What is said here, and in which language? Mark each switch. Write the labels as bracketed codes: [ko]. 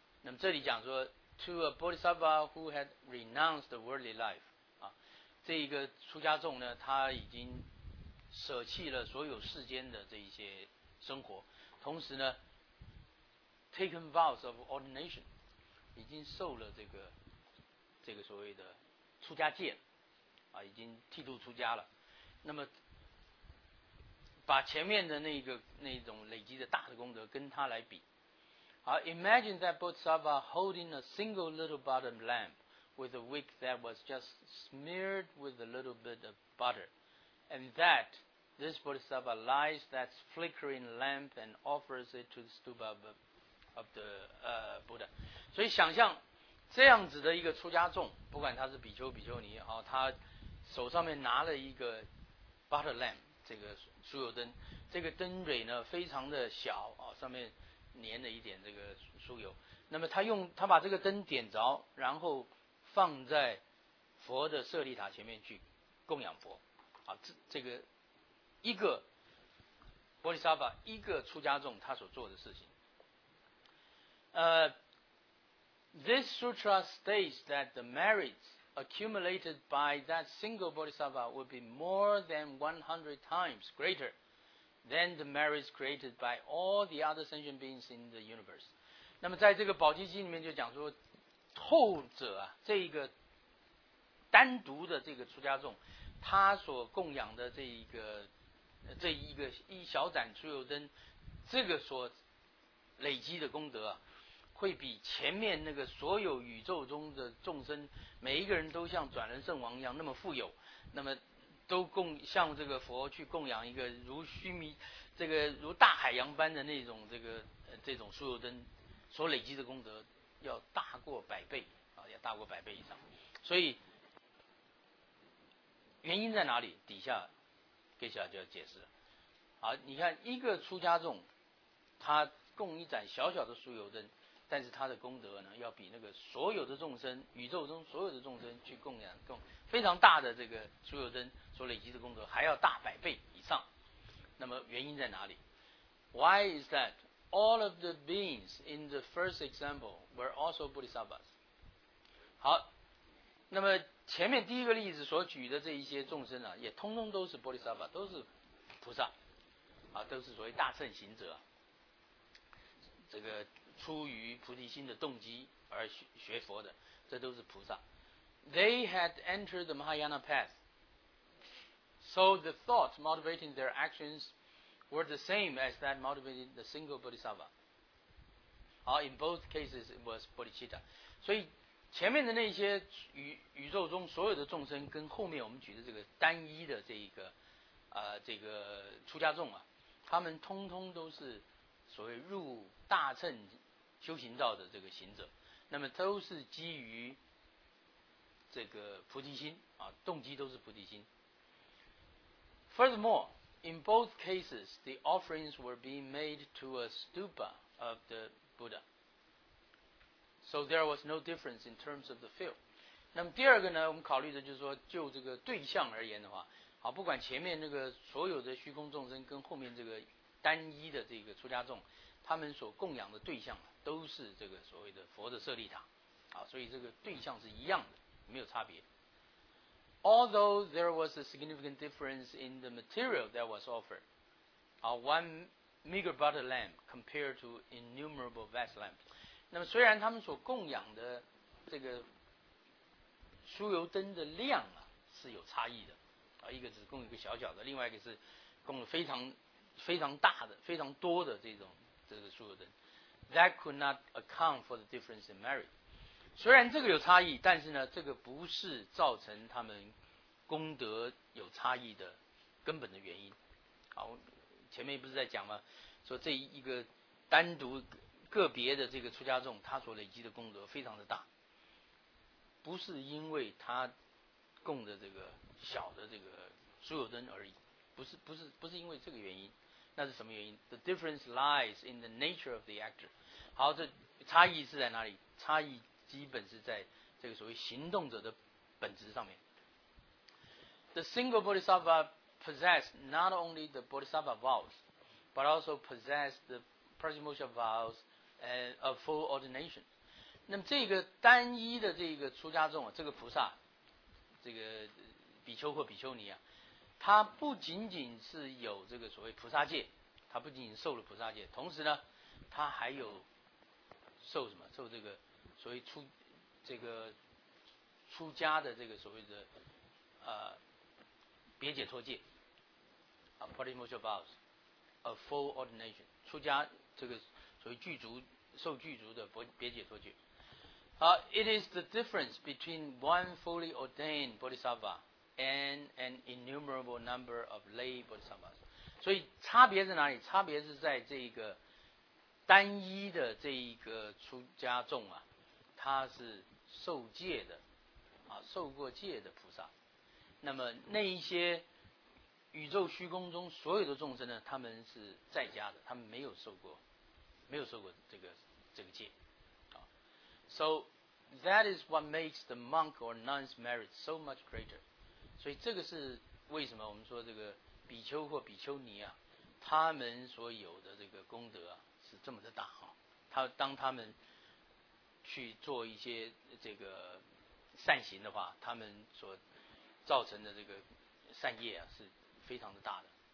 [zh] 那么这里讲说 ， [en] to a bodhisattva who had renounced the worldly life， [zh] 啊，这一个出家众呢，他已经舍弃了所有世间的这一些生活，同时呢 ， [en] taken vows of ordination。 [zh] 已经受了这个所谓的出家戒啊，已经剃度出家了。那么把前面的那种累积的大的功德跟他来比，好 [en] ，Imagine that Bodhisattva holding a single little butter lamp with a wick that was just smeared with a little bit of butter, and that this Bodhisattva lights that flickering lamp and offers it to the stupa of the Buddha。 [zh] 所以想象这样子的一个出家众，不管他是比丘、比丘尼，哦，他手上面拿了一个 butter lamp 这个酥油灯，这个灯蕊呢非常的小啊、哦，上面粘了一点这个酥油。那么他把这个灯点着，然后放在佛的舍利塔前面去供养佛。啊，这个一个波利萨巴，一个出家众他所做的事情。 [en] This sutra states that the merits accumulated by that single bodhisattva would be more than 100 times greater than the merits created by all the other sentient beings in the universe. [zh] 那么在这个宝积经里面就讲说，后者啊，这一个单独的这个出家众，他所供养的这一个一小盏酥油灯，这个所累积的功德啊，会比前面那个所有宇宙中的众生每一个人都像转轮圣王一样那么富有，那么都供向这个佛去供养一个如须弥这个如大海洋般的那种这种酥油灯所累积的功德要大过百倍啊，要大过百倍以上。所以原因在哪里，底下给小就要解释了。好，你看一个出家众他供一盏小小的酥油灯，但是他的功德呢要比那个所有的众生宇宙中所有的众生去供养供非常大的这个酥油灯所累积的功德还要大百倍以上。那么原因在哪里？ [en] Why is that? All of the beings in the first example were also bodhisattvas. [zh] 好，那么前面第一个例子所举的这一些众生啊，也通通都是 bodhisattva， 都是菩萨啊，都是所谓大乘行者，这个出于菩提心的动机而学佛的，这都是菩萨。 [en] They had entered the Mahayana path, so the thoughts motivating their actions were the same as that motivating the single bodhisattva. In both cases, it was bodhicitta. [zh] 所以前面的那些宇宙中所有的众生，跟后面我们举的这个单一的这个出家众啊，他们通通都是所谓入大乘修行道的这个行者，那么都是基于这个菩提心啊，动机都是菩提心。 [en] Furthermore, in both cases, the offerings were being made to a stupa of the Buddha. So there was no difference in terms of the field. [zh] 那么第二个呢，我们考虑的就是说，就这个对象而言的话，好，不管前面那个所有的虚空众生跟后面这个单一的这个出家众，他们所供养的对象都是这个所谓的佛的舍利塔，啊，所以这个对象是一样的，没有差别。 [en] Although there was a significant difference in the material that was offered, one meager butter lamp compared to innumerable vast lamps. [zh] 那么虽然他们所供养的这个酥油灯的量啊是有差异的，啊，一个只供一个小小的，另外一个是供了非常非常大的、非常多的这个酥油灯。 [en] That could not account for the difference in merit. [zh] 虽然这个有差异，但是呢，这个不是造成他们功德有差异的根本的原因。好，前面不是在讲吗？说这一个单独个别的这个出家众，他所累积的功德非常的大，不是因为他供的这个小的这个酥油灯而已，不是因为这个原因。那是什么原因？ [en] The difference lies in the nature of the actor. [zh] 好，这差异是在哪里？差异基本是在这个所谓行动者的本质上面。 [en] The single bodhisattva possessed not only the bodhisattva vows, but also possessed the prajnamoksha vows of full ordination. [zh] 那么这个单一的这个出家众，这个菩萨，这个比丘或比丘尼啊，他不仅仅是有这个所谓菩萨戒，他不仅仅受了菩萨戒，同时呢他还有受什么，受这个所谓出家的这个所谓的别解脱戒啊 [en] Parimoksha vows a full ordination， [zh] 出家这个所谓具足受具足的别解脱戒。 [en] It is the difference between one fully ordained bodhisattva and an innumerable number of lay bodhisattvas. [zh] 所以差别在哪里？差别是在这个单一的这一个出家众啊，他是受戒的啊，受过戒的菩萨。那么那一些宇宙虚空中所有的众生呢，他们是在家的，他们没有受过，没有受过这个戒。 [en] So that is what makes the monk or nun's merit so much greater. [zh] 所以这个是为什么我们说这个比丘或比丘尼啊，他们所有的这个功德啊是这么的大哈。他当他们去做一些这个善行的话，他们所造成的这个善业啊是非常的大的。